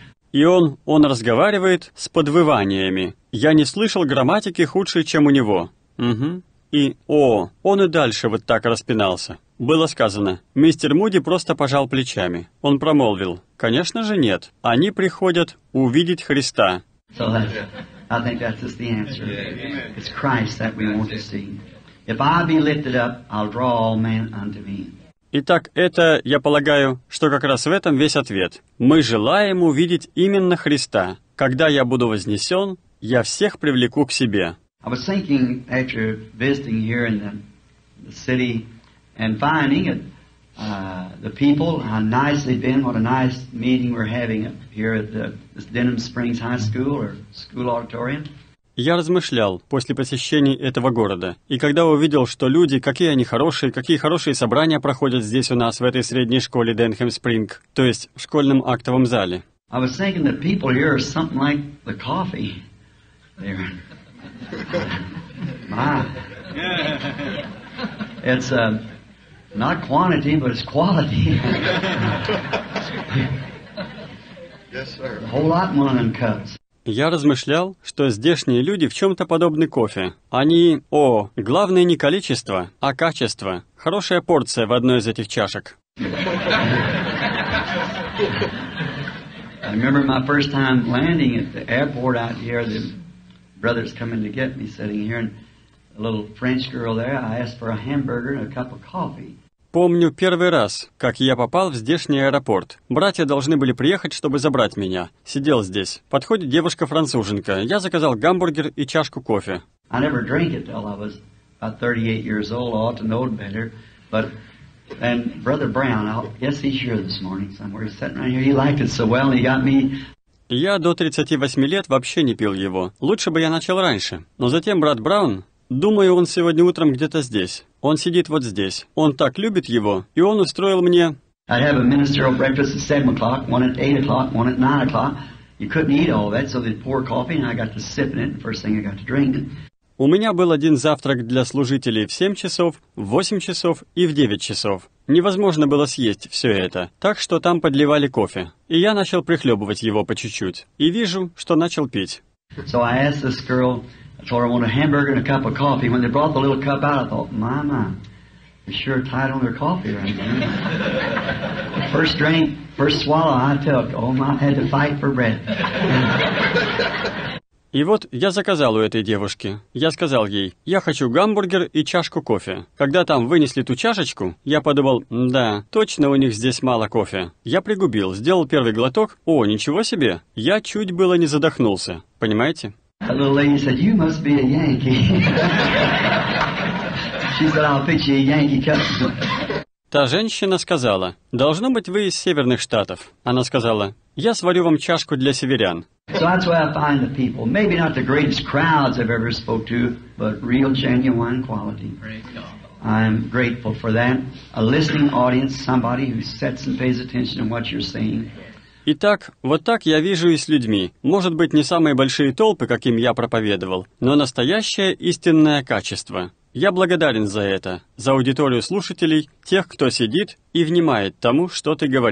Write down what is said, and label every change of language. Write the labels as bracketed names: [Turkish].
[Russian] И он разговаривает с подвываниями. Я не слышал грамматики худшей, чем у него. Угу. И, о, он и дальше вот так распинался. Было сказано, мистер Муди просто пожал плечами. Он промолвил, конечно же нет, они приходят увидеть Христа. [English] So I think that's just the answer. It's Christ that we want to see. If I be lifted up, I'll draw all men unto me. [Russian] Итак, это, я полагаю, что как раз в этом весь ответ. Мы желаем увидеть именно Христа. Когда я буду вознесен, я всех привлеку к себе. [English] I was thinking after visiting here in the city and finding it, the people, how nice they've been, what a nice meeting we're having here at the Denham Springs High School or School Auditorium. [Russian] Я размышлял после посещения этого города, и когда увидел, что люди, какие они хорошие, какие хорошие собрания проходят здесь у нас, в этой средней школе Denham Spring, то есть в школьном актовом зале. [English] I was thinking that people here are something like the coffee. My. It's not quantity, but it's quality. Yes, sir. A whole lot more than cups. [Russian] Я размышлял, что здешние люди в чем-то подобны кофе. Они, о, главное не количество, а качество. Хорошая порция в одной из этих чашек. [English] I remember my first time landing at the airport out here. The brothers coming to get me, sitting here, and a little French girl there. I asked for a hamburger and a cup of coffee. [Russian] Помню первый раз, как я попал в здешний аэропорт. Братья должны были приехать, чтобы забрать меня. Сидел здесь. Подходит девушка-француженка. Я заказал гамбургер и чашку кофе. [English] I never drank it till I was about 38 years old. I ought to know better. But then Brother Brown, yes, he's here this morning somewhere. He's sitting right here. He liked it so well. He got me. [Russian] Я до 38 лет вообще не пил его. Лучше бы я начал раньше. Но затем брат Браун, думаю, он сегодня утром где-то здесь. Он сидит вот здесь. Он так любит его, и он устроил мне... [English] I'd have a ministerial breakfast at 7 o'clock, one at 8 o'clock, one at 9 o'clock. You couldn't eat all that, so they'd pour coffee, and I got to sip it, and the first thing I got to drink. [Russian] У меня был один завтрак для служителей в 7 часов, в 8 часов и в 9 часов. Невозможно было съесть все это, так что там подливали кофе. И я начал прихлебывать его по чуть-чуть. И вижу, что начал пить. [English] So I asked this girl... I told her I want a hamburger and a cup of coffee. When they brought the little cup out, I thought, my, my, they're sure tight on their coffee right now. The first drink, first swallow I took, oh my, I had to fight for breath. [Russian] И вот я заказал у этой девушки. Я сказал ей, я хочу гамбургер и чашку кофе. Когда там вынесли ту чашечку, я подумал, да, точно у них здесь мало кофе. Я пригубил, сделал первый глоток. О, ничего себе, я чуть было не задохнулся. Понимаете? [English] A little lady said, "You must be a Yankee." She said, "I'll pitch you a Yankee cup." [Russian] Та женщина сказала, "Должно быть, вы из северных штатов." Она сказала, "Я сварю вам чашку для северян." [English] So that's where I find the people. Maybe not the greatest crowds I've ever spoke to, but real, genuine quality. I'm grateful for that. A listening audience, somebody who sets and pays attention to what you're saying. [Russian] Итак, вот так я вижу и с людьми. Может быть, не самые большие толпы, каким я проповедовал, но настоящее истинное качество. Я благодарен за это, за аудиторию слушателей, тех, кто сидит и внимает тому, что ты